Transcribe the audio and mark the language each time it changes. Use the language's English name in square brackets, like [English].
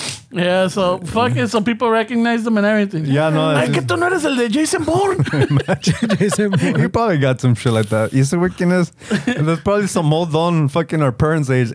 [English] Yeah, so fucking so people recognize them and everything. Yeah, no. [Spanish] Ay, que tú no eres el de Jason Bourne. [English] Jason Bourne. He probably got some shit like that. [Spanish] ¿Y ese güey quién es? [English] There's probably some old don fucking our parents' age.